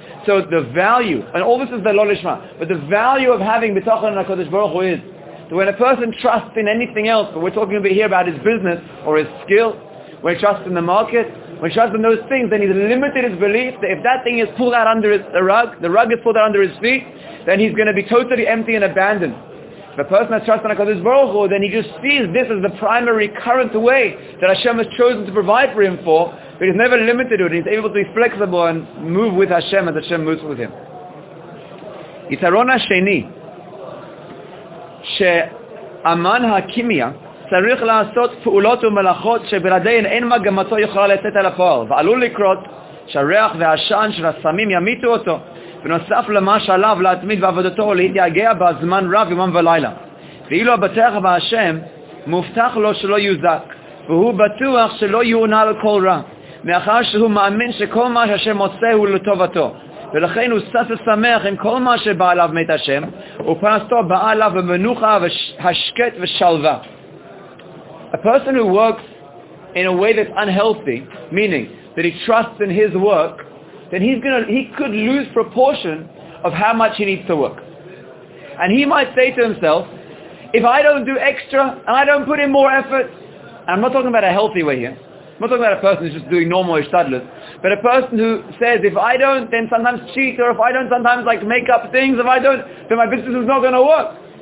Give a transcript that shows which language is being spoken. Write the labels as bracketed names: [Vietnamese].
[English] So the value, and all this is the lolishma, but the value of having bitachon in HaKadosh Baruch Hu is, so when a person trusts in anything else, but we're talking a bit here about his business or his skill, when he trusts in the market, when he trusts in those things, then he's limited his belief that if that thing is pulled out under the rug is pulled out under his feet, then he's going to be totally empty and abandoned. If a person has trust in HaKadosh Baruch Hu, then he just sees this as the primary current way that Hashem has chosen to provide for him for, but he's never limited to it. He's able to be flexible and move with Hashem as Hashem moves with him. [Hebrew] Yitaron HaSheni. שאמן הכימיה צריך לעשות פעולות ומלאכות שבלעדיהן אין מגמתו יכולה לצאת אל הפועל, ועלול לקרות שהריח והשען של הסמים ימיתו אותו, בנוסף למה שעליו להתמיד בעבודתו ולהתייגע בזמן רב יומם ולילה. ואילו הבטח בהשם מובטח לו שלא יוזק, והוא בטוח שלא יעונה לו כל רע, מאחר שהוא מאמין שכל מה שהשם עושה הוא לטובתו. ולכן הוא שש ושמח עם כל מה שבא עליו מת השם, ופרנסתו באה עליו במנוחה השקט ושלווה. [English] A person who works in a way that's unhealthy, meaning that he trusts in his work, then he could lose proportion of how much he needs to work. And he might say to himself, if I don't do extra, and I don't put in more effort, and I'm not talking about a healthy way here, I'm not talking about a person who's just doing normal ishtadlus, but a person who says, if I don't then sometimes cheat, or if I don't sometimes like make up things, if I don't, then my business is not going to work.